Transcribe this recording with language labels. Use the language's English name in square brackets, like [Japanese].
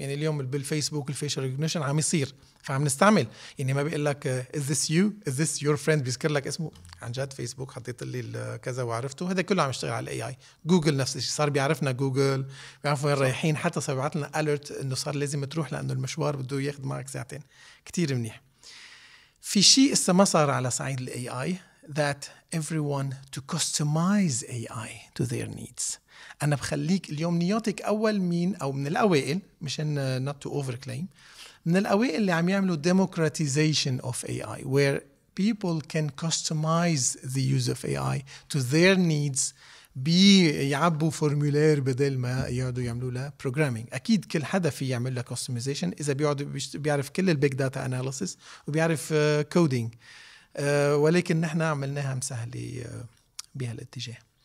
[Arabic] يعني اليوم بالفيسبوك الفيشل ريكوجنيشن عم يصير، فعم نستعمل. يعني ما بيقول لك [English] is this you is this your friend, [Arabic] بيذكر لك اسمه عن جد فيسبوك حطيت لي كذا وعرفته. هذا كله عم يشتغل على الاي اي. جوجل نفس الشيء صار بيعرفنا، جوجل بيعرف وين رايحين، حتى صار بيبعث لنا اليرت انه صار لازم تروح لانه المشوار بده ياخذ معك ساعتين. كثير منيح. في شيء إسه ما صار على صعيد الـ [English] AI that everyone to customize AI to their needs. [Arabic] أنا بخليك اليوم نياتك أول مين أو من الأوائل، مشان [English] not to overclaim، [Arabic] من الأوائل اللي عم يعملوا [English] democratization of AI where people can customize the use of AI to their needs. [Arabic] بيعبوا فورمولير بدل ما يقعدوا يعملوا له بروجرامينج. اكيد كل حدا في يعمل له كاستمايزيشن اذا بيقعد بيعرف كل البيج داتا اناليسيس وبيعرف كودينج، ولكن نحن عملناها مسهله بهالاتجاه.